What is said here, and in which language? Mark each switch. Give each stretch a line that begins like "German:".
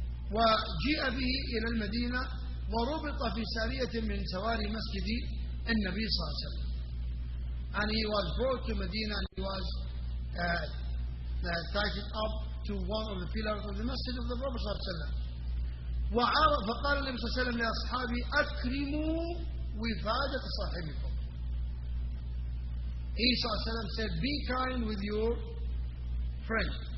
Arabic: وجاء به إلى المدينة وربط في سارية من سواري مسجد النبي صلى الله عليه وسلم.
English: And he was brought to Medina and he was tied up to one of the pillars of the masjid of the Prophet صلى الله عليه وسلم.
Arabic: وعرف فقال النبي صلى الله عليه وسلم لأصحابه أكرموا وفادة صاحبكم.
English: He صلى الله عليه وسلم said be kind with your friend.